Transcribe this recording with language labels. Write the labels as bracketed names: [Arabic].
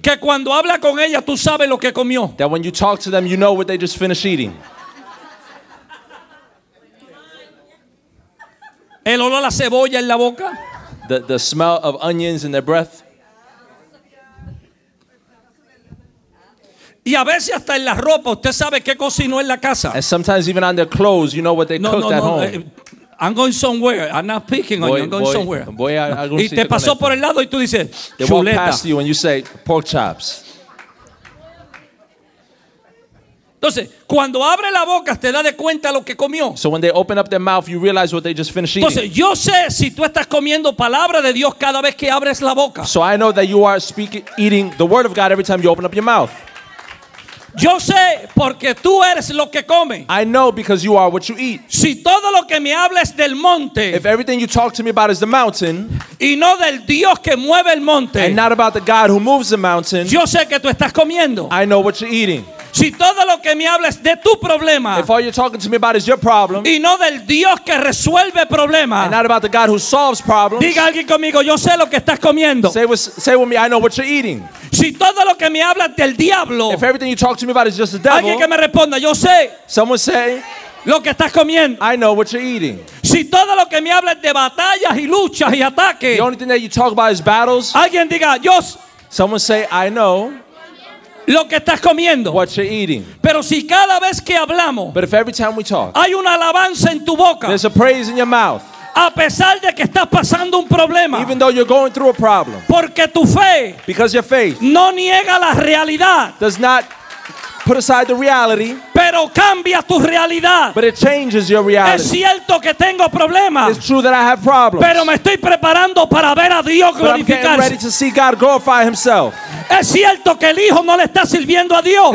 [Spanish] Que cuando habla con ella, tú sabes lo que comió. [English] That when you talk to them, you know what they just finished eating. [Spanish] El olor a la cebolla en la boca. [English] The smell of onions in their breath. [Spanish] Y a veces hasta en la ropa, usted sabe qué cocinó en la casa. [English] And sometimes even on their clothes, you know what they cooked at home. I'm going somewhere. I'm not picking on you. I'm going somewhere. [Spanish] Y te pasó por el lado y tú dices, [English] they walk past you and you say, pork chops. [Spanish] Entonces, cuando abre la boca, te da de cuenta lo que comió. [English] So when they open up their mouth, you realize what they just finished eating. [Spanish] Entonces, yo sé si tú estás comiendo palabra de Dios cada vez que abres la boca. [English] So I know that you are eating the word of God every time you open up your mouth. [Spanish] Yo sé porque tú eres lo que comes. [English] I know because you are what you eat. [Spanish] Si todo lo que me hables del monte. [English] If everything you talk to me about is the mountain. [Spanish] Y no del Dios que mueve el monte. [English] And not about the God who moves the mountain. [Spanish] Yo sé que tú estás comiendo. [English] I know what you're eating. [Spanish] Si todo lo que me hables de tu problema. [English] If all you're talking to me about is your problem. [Spanish] Y no del Dios que resuelve problemas. [English] And not about the God who solves problems. [Spanish] Diga alguien conmigo, yo sé lo que estás comiendo. [English] Say with me, I know what you're eating. [Spanish] Si todo lo que me hablas del diablo. [English] If everything you talk to me about is just the devil. [Spanish] Alguien que me responda, yo sé. [English] Someone say. [Spanish] Lo que estás comiendo. [English] I know what you're eating. [Spanish] Si todo lo que me hablas de batallas y luchas y ataques. [English] The only thing that you talk about is battles. [Spanish] Alguien diga, yo. [English] Someone say, I know. [Spanish] Lo que estás comiendo. [English] What you're eating. [Spanish] Pero si cada vez que hablamos. [English] But if every time we talk. [Spanish] Hay una alabanza en tu boca. [English] There's a praise in your mouth. [Spanish] A pesar de que estás pasando un problema. [English] Even though you're going through a problem. [Spanish] Porque tu fe. [English] Because your faith. [Spanish] No niega la realidad. [English] Does not put aside the reality. [Spanish] Pero cambia tu realidad. [English] But it changes your reality. [Spanish] Es cierto que tengo problemas. [English] It's true that I have problems. [Spanish] Pero me estoy preparando para ver a Dios glorificarse. [English] But I'm getting ready to see God glorify himself. [Spanish] Es cierto que el hijo no le está sirviendo a Dios.